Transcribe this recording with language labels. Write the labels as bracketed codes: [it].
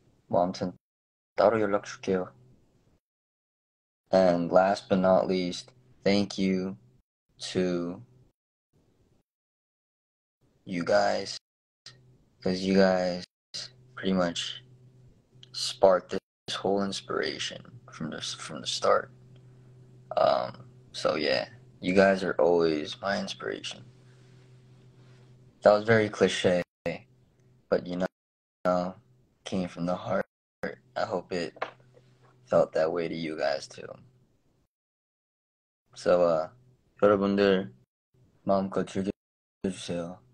[ko] 아무튼 따로 연락 줄게요. [en] And last but not least, thank you to you guys, because you guys pretty much sparked this whole inspiration from the start. So yeah, you guys are always my inspiration. That was very cliche, but came from the heart. I hope it felt that way to you guys too. [ko] So, 여러분들 마음껏 즐겨주세요.